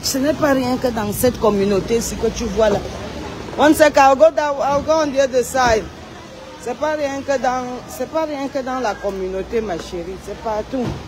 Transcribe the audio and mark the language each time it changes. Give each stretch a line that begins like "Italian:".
French: Ce n'est pas rien que dans cette communauté, ce que tu vois là.
English: One second, I'll go on the other side.
French: C'est pas rien que dans la communauté, ma chérie. C'est partout.